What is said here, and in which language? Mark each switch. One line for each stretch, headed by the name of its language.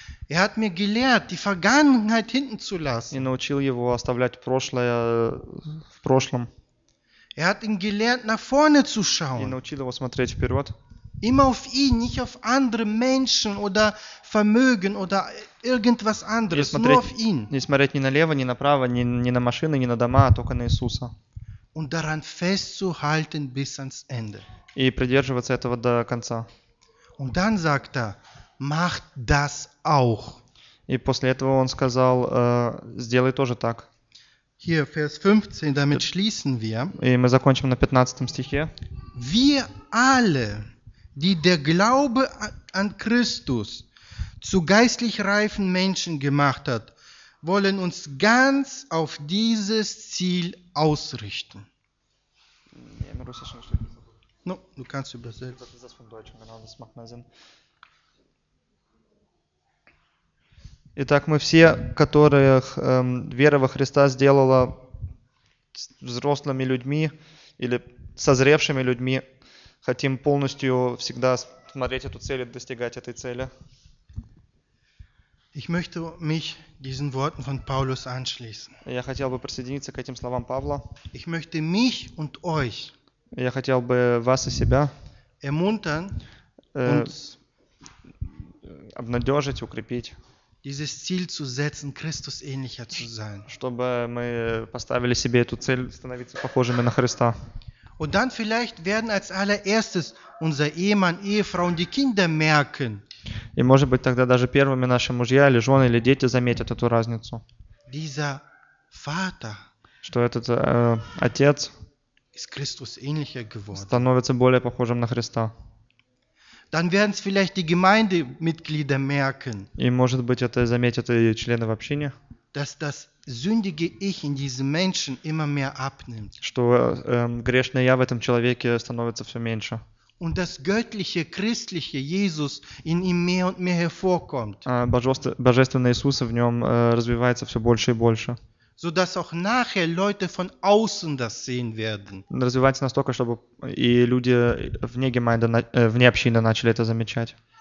German: Er hat mir gelehrt, die Vergangenheit hinten zu lassen.
Russian: И научил его оставлять прошлое в прошлом.
German: Er hat ihn gelernt, nach vorne zu schauen.
Russian: И научил его смотреть вперед.
German: Immer auf ihn, nicht auf andere Menschen oder Vermögen oder irgendwas anderes,
Russian: смотреть,
German: nur auf ihn.
Russian: Не смотреть ни налево, ни направо, ни на машины, ни на дома, а только на Иисуса.
German: Und daran festzuhalten bis ans Ende.
Russian: И придерживаться этого до конца.
German: Und dann sagt er, mach das auch.
Russian: И после этого он сказал, сделай тоже так.
German: Hier, Vers 15, damit schließen wir.
Russian: И мы закончим на 15 стихе.
German: Wir alle, die der Glaube an Christus zu geistlich reifen Menschen gemacht hat, wollen uns ganz auf dieses Ziel ausrichten. Ja, im Russischen ist das so. No, du kannst übersetzen. Was ist das vom Deutschen? Genau, das macht mehr Sinn.
Russian: Итак, мы все, которых вера во Христа сделала взрослыми людьми или созревшими людьми, хотим полностью всегда смотреть эту цель и достигать этой цели.
German: Ich möchte mich diesen Worten von Paulus anschließen.
Russian: Я хотел бы присоединиться к этим словам Павла.
German: Ich möchte mich und euch.
Russian: Я хотел бы вас и себя
German: ermuntern
Russian: und обнадежить, укрепить.
German: Dieses Ziel zu setzen, Christus ähnlicher zu sein.
Russian: Чтобы мы поставили себе эту цель, становиться похожими на Христа.
German: Und dann vielleicht werden als allererstes unser Ehemann, Ehefrau und die Kinder merken.
Russian: И может быть тогда даже первыми наши мужья или жены или дети заметят эту разницу.
German: Dieser Vater.
Russian: Что этот отец.
German: Ist Christus ähnlicher geworden.
Russian: Становится более похожим на Христа.
German: Dann werden es vielleicht die Gemeindemitglieder merken.
Russian: И может быть это заметят и члены в общине.
German: Dass das sündige Ich in diesem Menschen immer mehr abnimmt.
Russian: Что грешное я в этом человеке становится все меньше.
German: Und das göttliche, christliche Jesus in ihm mehr und mehr hervorkommt.
Russian: Божественный Иисус в нем развивается все больше и больше.
German: So dass auch nachher Leute von außen das sehen werden.
Russian: Развивается настолько, чтобы и люди вне Gemeinde, вне общины начали это замечать.